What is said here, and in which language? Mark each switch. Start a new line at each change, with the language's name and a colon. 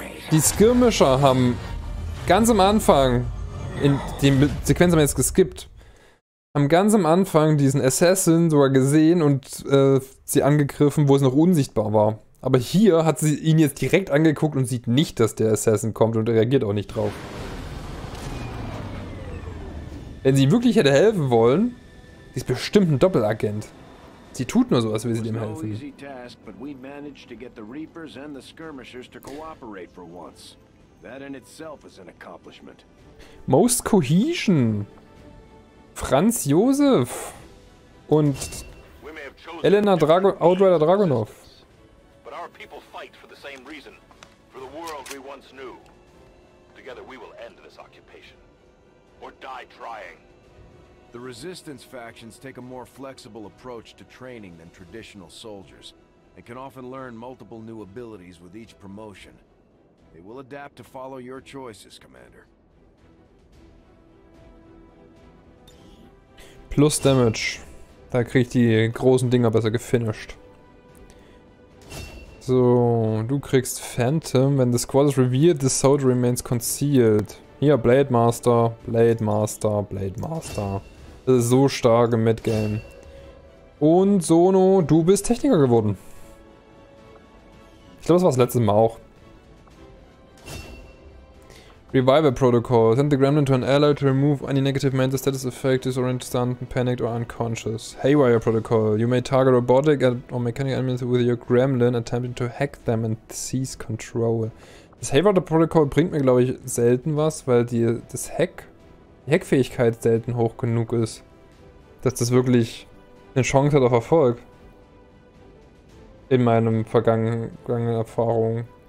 German: Die Skirmisher haben ganz am Anfang, in die Sequenz haben wir jetzt geskippt, haben ganz am Anfang diesen Assassin sogar gesehen und sie angegriffen, wo es noch unsichtbar war. Aber hier hat sie ihn jetzt direkt angeguckt und sieht nicht, dass der Assassin kommt und reagiert auch nicht drauf. Wenn sie ihm wirklich hätte helfen wollen, sie ist bestimmt ein Doppelagent. Sie tut nur so, als würde sie dem helfen.
English: No easy task, but we managed to get the Reapers and the Skirmishers to cooperate for once. That in itself is an accomplishment. Most Cohesion. Franz Josef und Elena Outrider Dragunov. But our people fight for the same reason, for the world we once knew. Together we will end this occupation or die trying. The Resistance factions take a more flexible approach to training than traditional soldiers, and can often learn multiple new abilities with each promotion. They will adapt to follow your choices, Commander. Plus Damage.
German: Da krieg ich die großen Dinger besser gefinished. So, du kriegst Phantom.
English: When the squad is revealed, the soldier remains concealed.
German: Hier, Blade Master, Blade Master, Blade Master. Das ist so stark im Midgame. Und Sono, du bist Techniker geworden. Ich glaube, das war das letzte Mal auch.
English: Revival Protocol. Send the Gremlin to an ally to remove any negative mental status effect, disorient, stunned, panicked or unconscious. Haywire Protocol. You may target robotic or mechanical enemies with your Gremlin, attempting to hack them and seize control.
German: Das Haywire Protocol bringt mir, glaube ich, selten was, weil die Hackfähigkeit selten hoch genug ist, dass das wirklich eine Chance hat auf Erfolg. In meinen vergangenen Erfahrungen.